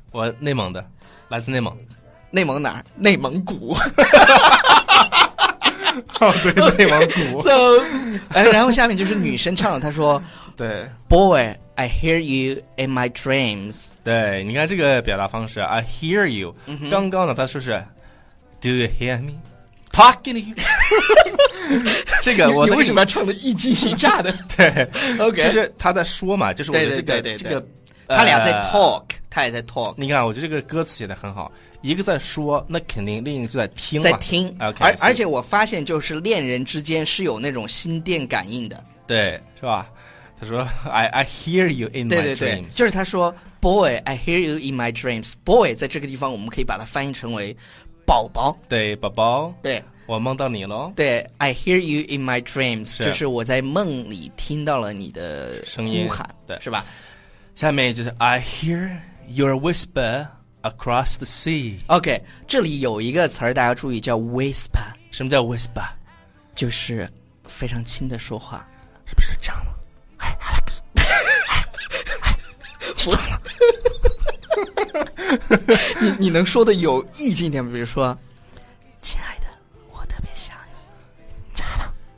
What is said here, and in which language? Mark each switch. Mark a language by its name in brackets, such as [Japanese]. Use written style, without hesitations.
[Chinese] 我内蒙的，来自内蒙。内蒙哪儿？内蒙古。哦，对， [English] okay, [Chinese] 内蒙古。 So， 然后下面就是女生唱的，她说：“ 对 [English] ，Boy， I hear you in my dreams。” [Chinese] 对，你看这个表达方式 ，I hear you、嗯。刚刚呢，她说是 ， Do you hear me talking to you？这个我你为什么要唱的一惊一乍的？对 [English] ，OK， [Chinese] 就是他在说嘛，就是我觉得这个对对对对对这个他俩在 talk， 他也在 talk。你看，我觉得这个歌词写的很好，一个在说，那肯定另一个就在听，在听。 [English] OK， [Chinese] 而且我发现，就是恋人之间是有那种心电感应的，对，是吧？ [English] 他说，I hear you in my dreams， [Chinese] 对对对，就是他说 ， Boy，I hear you in my dreams。 Boy， 在这个地方，我们可以把它翻译成为。宝宝，对，宝宝，对，我梦到你了，对， I hear you in my dreams，就是我在梦里听到了你的声音呼喊，对，是吧。下面就是 I hear your whisper across the sea。 OK， 这里有一个词大家注意，叫 whisper。什么叫 whisper？就是非常轻的说话，是不是这样吗？哎 Alex， 哎哎，起床了。你能说的有意境一点，比如说亲爱的，我特别想你，亲爱的。